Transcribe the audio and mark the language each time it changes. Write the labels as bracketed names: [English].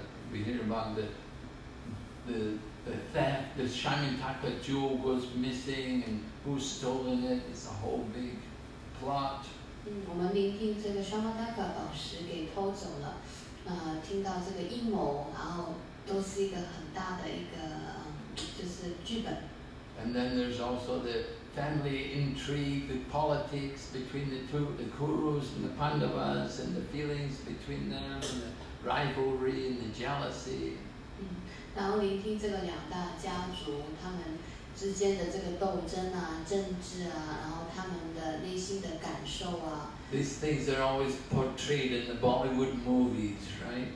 [English] We hear about the Shyamantaka jewel goes missing and who's stolen it, it's a whole big plot. [Chinese] 我们聆听这个沙巴达卡宝石给偷走了，听到这个阴谋，然后都是一个很大的一个就是剧本。 [English] And then there's also the family intrigue, the politics between the two, the Kurus and the Pandavas, and the feelings between them, and the rivalry and the jealousy. [Chinese] 然后聆听这个两大家族他们之间的这个斗争啊，政治啊，然后他们的内心的感受啊。 [English] These things are always portrayed in the Bollywood movies, right?